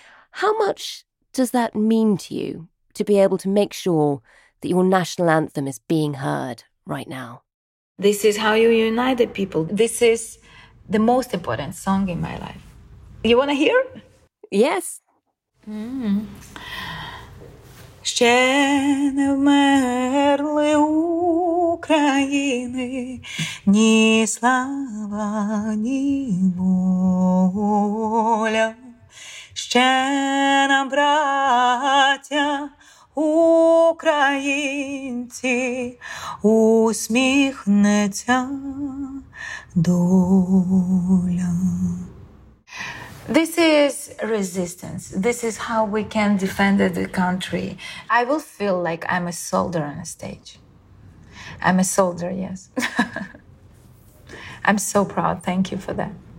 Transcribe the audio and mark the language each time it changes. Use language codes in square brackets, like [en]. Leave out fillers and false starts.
[en] How much does that mean to you, to be able to make sure that your national anthem is being heard right now? This is how you unite the people. This is the most important song in my life. You want to hear? Yes. [uk] Ще не вмерли України ні слава, ні воля. Ще нам, браття, українці, усміхнеться доля. [en] This is resistance. This is how we can defend the country. I will feel like I'm a soldier on a stage. I'm a soldier, yes. I'm so proud. Thank you for that.